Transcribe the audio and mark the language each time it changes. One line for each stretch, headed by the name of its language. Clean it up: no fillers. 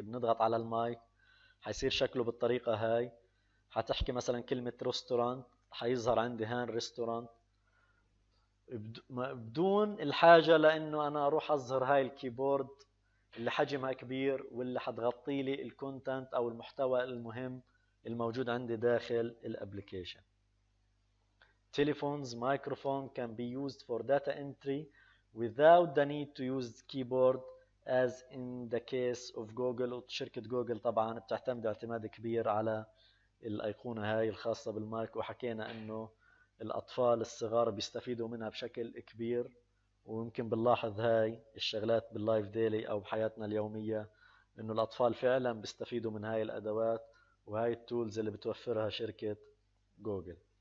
Arabic: بنضغط على المايك حيصير شكله بالطريقة هاي، حتحكي مثلا كلمة restaurant، حيظهر عندي هان restaurant بدون الحاجة لانه انا اروح اظهر هاي الكيبورد اللي حجمها كبير واللي حتغطي لي الكونتنت او المحتوى المهم الموجود عندي داخل الابليكيشن.
English: telephones microphone can be used for data entry without the need to use the keyboard as in the case of Google.
Arabic: وشركة جوجل طبعا بتعتمد اعتماد كبير على الأيقونة هاي الخاصة بالمايك، وحكينا أنه الأطفال الصغار بيستفيدوا منها بشكل كبير، ويمكن بنلاحظ هاي الشغلات باللايف ديلي أو بحياتنا اليومية أنه الأطفال فعلا بيستفيدوا من هاي الأدوات وهاي التولز اللي بتوفرها شركة جوجل.